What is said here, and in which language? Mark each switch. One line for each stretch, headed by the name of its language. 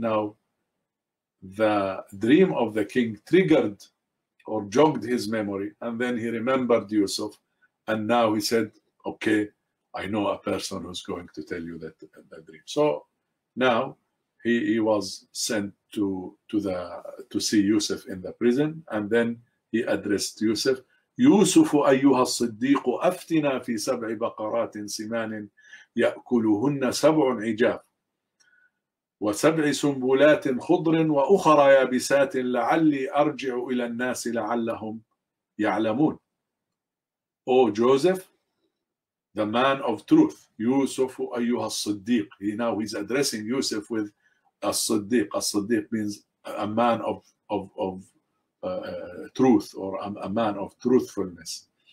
English: Now the dream of the king triggered or jogged his memory, and then he remembered Yusuf, and now he said, okay, I know a person who's going to tell you that dream. So now he was sent to see Yusuf in the prison, and then he addressed Yusuf.
Arabic: يوسف أيها الصديق أفتنا في سبع بقرات سمان يأكلهن سبع عجاف وسبع سنبلات خضر وأخرى يابسات لعلي أرجع إلى الناس لعلهم يعلمون.
English: O Joseph, the man of truth,
Arabic: يوسف أيها الصديق.
English: Now he's addressing Yusuf with الصديق. الصديق means a man of truth, or a man of truthfulness.